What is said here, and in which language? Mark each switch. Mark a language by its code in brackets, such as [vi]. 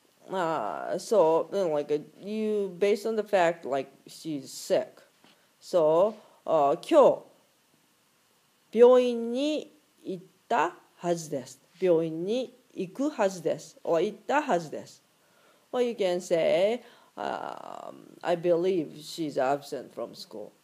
[en] You based on the fact like she's sick. So, [ja] 今日病院に行ったはずです。病院に行くはずです。or 行ったはずです。 [en] or you can say,I believe she's absent from school.